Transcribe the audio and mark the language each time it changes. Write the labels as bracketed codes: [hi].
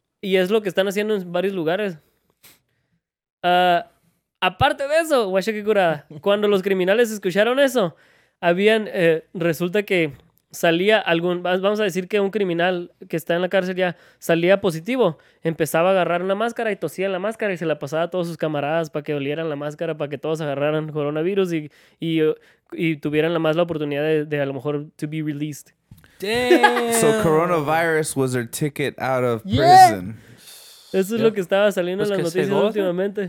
[es] Y es lo que están haciendo en varios lugares. Aparte de eso, guacha que curada, cuando los criminales escucharon eso, resulta que salía algún, vamos a decir que un criminal que está en la cárcel ya salía positivo, empezaba a agarrar una máscara y tosía en la máscara y se la pasaba a todos sus camaradas para que olieran la máscara, para que todos agarraran coronavirus y tuvieran la más la oportunidad de a lo mejor [en] to be released. Damn. So coronavirus was their ticket out of prison. [es] Eso es lo que estaba saliendo en las noticias últimamente.